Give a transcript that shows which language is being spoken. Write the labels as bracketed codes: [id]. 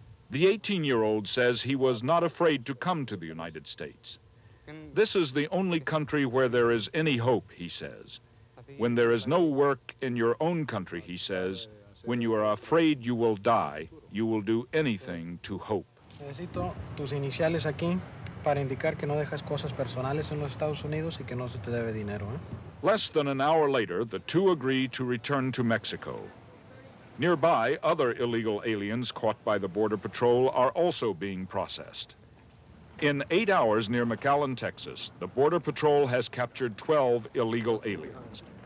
[en] The 18-year-old says he was not afraid to come to the United States. This is the only country where there is any hope, he says. When there is no work in your own country, he says, when you are afraid you will die, you will do anything to hope. [es] Necesito tus iniciales aquí para indicar que no dejas cosas personales en los Estados Unidos y que no se te debe dinero. [en] Less than an hour later, the two agree to return to Mexico. Nearby, other illegal aliens caught by the Border Patrol are also being processed. In 8 hours near McAllen, Texas, the Border Patrol has captured 12 illegal aliens.